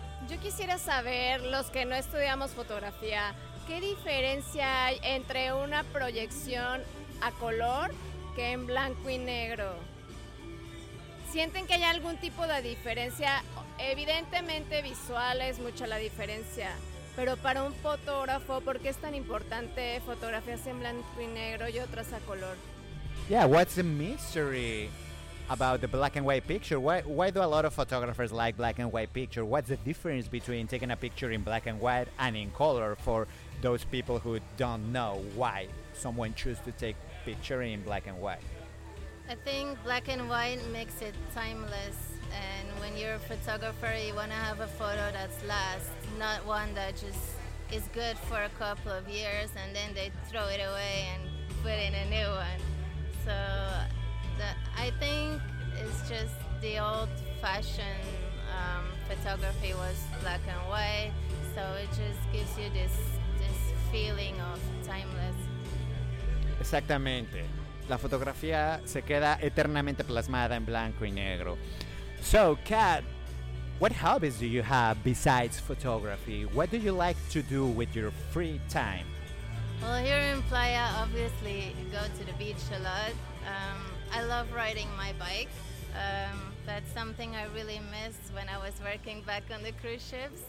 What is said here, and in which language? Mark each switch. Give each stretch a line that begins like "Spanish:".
Spanish: Yo quisiera saber, los que no estudiamos fotografía, ¿qué diferencia hay entre una proyección a color en blanco y negro? ¿Sienten que hay algún tipo de diferencia? Evidentemente visual es mucha la diferencia, pero para un fotógrafo, ¿por qué es tan importante fotografías en blanco y negro y otras a color?
English: Yeah, what's the mystery about the black and white picture? Why do a lot of photographers like black and white picture? What's the difference between taking a picture in black and white and in color for those people who don't know why someone chooses to take picture in black and white? I think black and white makes it timeless, and when you're a photographer, you want to have a photo that's last, not one that just is good for a couple of years and then they throw it away and put in a new one. So I think it's just the old-fashioned photography was black and white, so it just gives you this feeling of timeless.
Spanish: Exactamente. La fotografía se queda eternamente plasmada en blanco y negro.
English: So, Kat, what hobbies do you have besides photography? What do you like to do with your free time? Well, here in Playa, obviously, you go to the beach a lot. I love riding my bike. That's something I really missed when I was working back on the cruise ships.